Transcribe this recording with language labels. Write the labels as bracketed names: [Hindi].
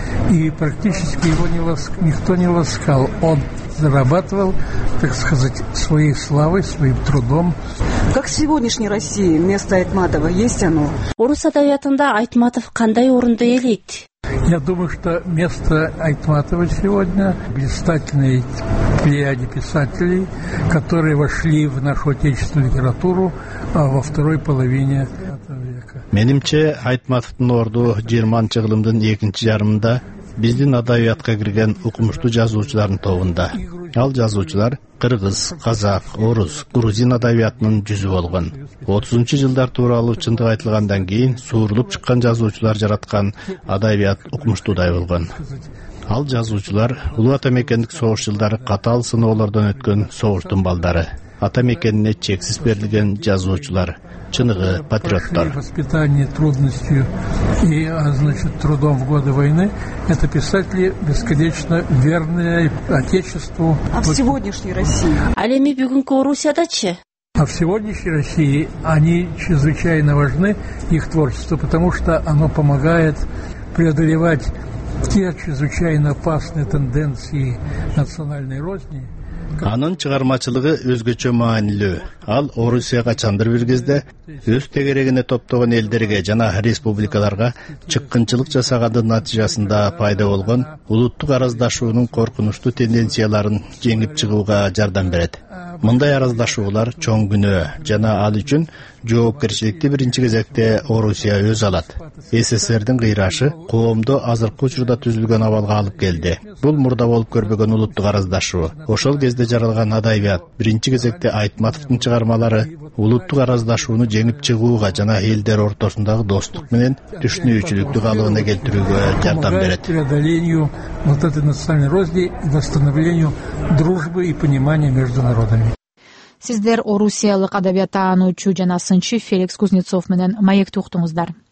[Russian] И практически его никто не ласкал. Он зарабатывал, так сказать, своей славой, своим трудом. Как в сегодняшней России место Айтматова есть оно? [Kyrgyz] Орус адабиятында Айтматов кандай орунду ээлейт? [Russian] Я думаю, что место Айтматова сегодня блистательной плеяде писателей, которые вошли в нашу отечественную литературу во второй половине века. [Kyrgyz] Менимче Айтматовдун орду 20-чы кылымдын 2-чи жарымында биздин адабиятка кирген укмуштуу жазуучулардын тобунда. Ал жазуучулар кыргыз, казак, орус, грузин адабиятынын жүзү болгон. 30-чу жылдар тууралуу чындык айтылгандан кийин суурулуп чыккан жазуучулар жараткан адабият укмуштуудай болгон. Ал жазуучулар улуу ата мекендик согуш жылдары катаал сыноолордон өткөн согуштун балдары. Ата мекенине чексиз берилген жазуучулар, чыныгы патриоттор. [Russian] Воспитание трудностью и, значит, трудом в годы войны — это писатели бесконечно верные отечеству. А в сегодняшней России? [Kyrgyz] Ал эми бүгүнкү Орусиядачы? [Russian] А в сегодняшней России они чрезвычайно важны, их творчество, потому что оно помогает преодолевать те чрезвычайно опасные тенденции национальной розни. [Kyrgyz] Анын чыгармачылыгы өзгөчө маанилүү. Ал Орусияга чандыр киргизди, өз тегерегине топтогон элдерге жана республикаларга чыккынчылык жасагандын натыйжасында пайда болгон улуттук араздашуунун коркунучтуу тенденцияларын жеңип чыгууга жардам берет. Мындай араздашуулар чоң күнөө жана ал үчүн жоопкерчиликти биринчи кезекте Орусия өз алат. СССРдин кыйрашы коомдо азыркы учурда түзүлгөн абалга алып келди. Бул мурда болуп көрбөгөн улуттук араздашуу. Ошол кезде жаралган адабият, биринчи кезекте Айтматовдун чыгармалары улуттук араздашууну жеңип чыгууга жана элдер ортосундагы достук менен түшүнүүчүлүктү калыбына келтирүүгө жардам берет. [Russian] Вот этой национальной розни и восстановлению дружбы и понимания между народами. [Kyrgyz] Сиздер орусиялык адабият таануучу жана сынчы Феликс Кузнецов менен маекти уктуңуздар.